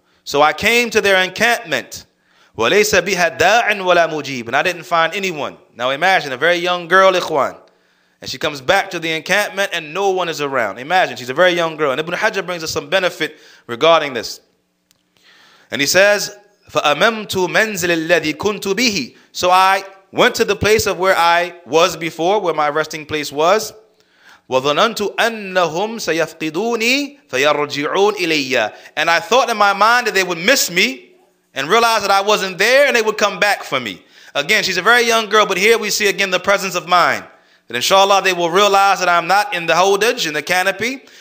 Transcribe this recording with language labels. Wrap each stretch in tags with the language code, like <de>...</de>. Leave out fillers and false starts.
<en>So I came to their encampment.</en> <ar>وَلَيْسَ بِهَا دَاعٍ وَلَا مُجِيبٍ.</ar> <en>And I didn't find anyone. Now imagine a very young girl, ikhwan, and she comes back to the encampment and no one is around. Imagine, she's a very young girl. And Ibn Hajar brings us some benefit regarding this. And he says,</en> <ar>فَأَمَمْتُ مَنْزِلِ الَّذِي كُنْتُ بِهِ.</ar> <en>So I went to the place of where I was before, where my resting place was.</en> <ar>وَظَنَنْتُ أَنَّهُمْ سَيَفْقِدُونِي فَيَرْجِعُونَ إِلَيَّ.</ar> <en>And I thought in my mind that they would miss me and realize that I wasn't there and they would come back for me. Again, she's a very young girl, but here we see again the presence of mind. That inshallah they will realize that I'm not in the holdage, in the canopy.</en>